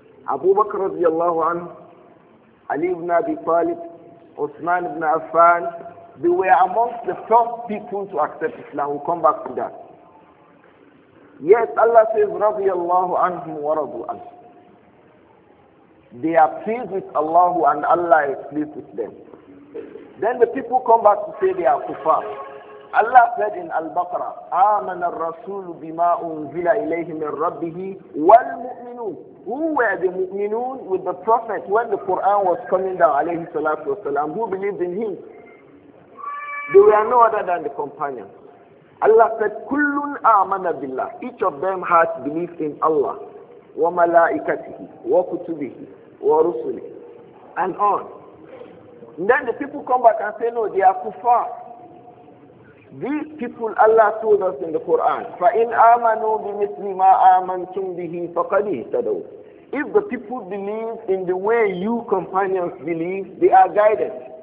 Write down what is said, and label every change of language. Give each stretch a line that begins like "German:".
English: Abu Bakr radiallahu anhu, Ali ibn Abi Talib, Uthman ibn Affan, they were amongst the first people to accept Islam. We'll come back to that. Yet Allah says,
Arabic: radiallahu anhum wa radu anhum.
English: They are pleased with Allah and Allah is pleased with them. Then the people come back to say they are kuffar.
Arabic: Allah said in Al-Baqarah, آمَنَ الرَّسُولُ بِمَا أُنْزِلَ إِلَيْهِ مِنْ رَبِّهِ وَالْمُؤْمِنُونَ.
English: Who were the mu'minun with the Prophet when the Quran was coming down, alayhi salatu wasalam? Who believed in him? They were no other than the companions. Allah said,
Arabic: kullun amana billah.
English: Each of them had belief in Allah.
Arabic: وملائكته وكتبه ورسله
English: and on. And then the people come back and say, no, they are kuffar. These people Allah told us in the Quran,
Arabic: فَإِنْ آمَنُوا بِمِثْلِ مَا آمَنْتُمْ بِهِ فَقَدِ اهْتَدَوْا.
English: If the people believe in the way you companions believe, they are guided.